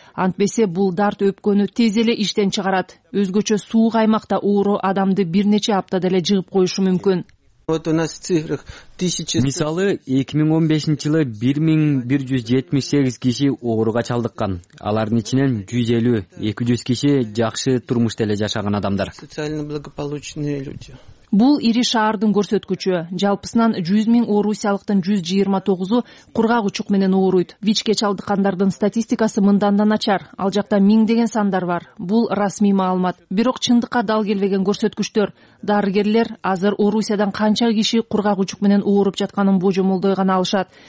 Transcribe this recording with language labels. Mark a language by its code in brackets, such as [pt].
[ky] Антпесе бул дарт өпкөнү тез эле иштен чыгарат. Өзгөчө суук аймакта ооруу адамды бир нече аптада эле жыгып коюшу мүмкүн. [ru] Вот у нас в цифрах 1000. [ky] Мисалы 2015 жылы 1178 киши ооруга чалдыккан. Алардын ичинен 150-200 киши жакшы турмушта эле жашаган адамдар. [ru] Социально благополучные люди. [ky] Бул ири шаардын көрсөткүчү. Жалпысынан 100 000 орусиялыктын 129-у кургак учук менен ооруйт. ВИЧ-ке чалдыккандардын статистикасы мындан да начар. Ал жакта миңдеген сандар бар. Бул расмий маалымат. Бирок чындыкка дал келбеген көрсөткүчтөр. Дарыгерлер азыр Орусиядан канча киши кургак учук менен ооруп жатканын божомолдой гана алышат.